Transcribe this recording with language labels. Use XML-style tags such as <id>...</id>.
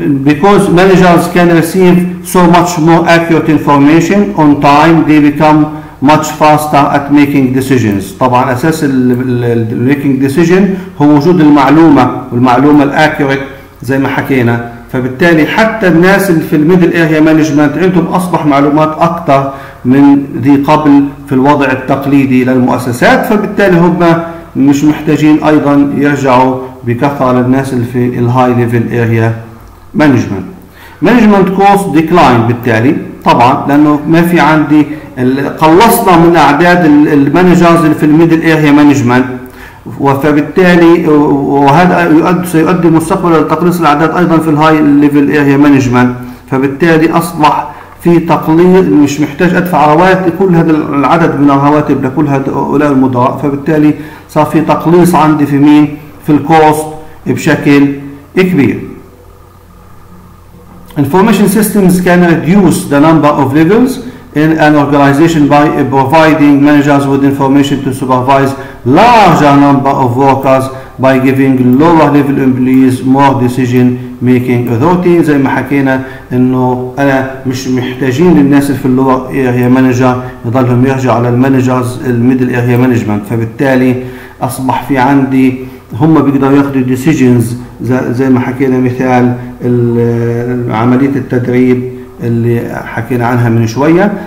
<en>Because managers can receive so much more accurate information on time, they become much faster at making decisions.</en> <ar>طبعا أساس الـ</ar> <en>making decision</en> <ar>هو وجود المعلومة، والمعلومة accurate زي ما حكينا. فبالتالي حتى الناس اللي في الميدل ايريا مانجمنت عندهم اصبح معلومات اكثر من ذي قبل في الوضع التقليدي للمؤسسات، فبالتالي هم مش محتاجين ايضا يرجعوا بكثره للناس اللي في الهاي ليفل ايريا مانجمنت.</ar> <en>مانجمنت كوست ديكلاين</en> <ar>بالتالي طبعا، لانه ما في عندي، قلصنا من اعداد المانجرز اللي في الميدل ايريا مانجمنت، وفبالتالي وهذا سيؤدي مستقبلا لتقليص الاعداد ايضا في الهاي ليفل اريا مانجمنت. فبالتالي اصبح في تقليل، مش محتاج ادفع رواتب كل هذا العدد من الرواتب لكل هؤلاء المدراء. فبالتالي صار في تقليص عندي في مين؟ في الكوست بشكل كبير.</ar> <en>Information systems can reduce the number of levels in an organization by providing managers with information to supervise larger number of workers by giving lower level employees more decision making authority.</en> <ar>زي ما حكينا انه انا مش محتاجين للناس في اللور اريا مانجر يضلهم يرجعوا على المانجرز الميدل اريا مانجمنت. فبالتالي اصبح في عندي هم بيقدروا ياخذوا decisions زي ما حكينا، مثال عمليه التدريب اللي حكينا عنها من شوية.</ar>